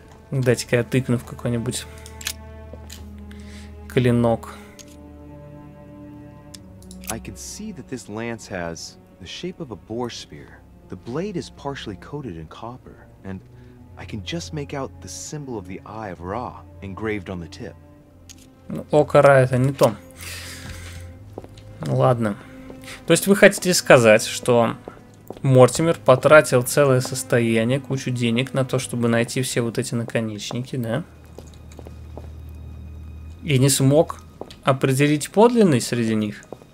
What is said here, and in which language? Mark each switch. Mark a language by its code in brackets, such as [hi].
[ru] Дайте-ка я тыкну в какой-нибудь клинок. [en] I can see that this lance has the shape of a boar spear. The blade is partially coated in copper, and I can just make out the symbol of the eye of Ra engraved on the tip. [ru] Ну, око Ра — это не то. Ладно. То есть вы хотите сказать, что Мортимер потратил целое состояние, кучу денег на то, чтобы найти все вот эти наконечники, да? И не смог определить подлинный среди них?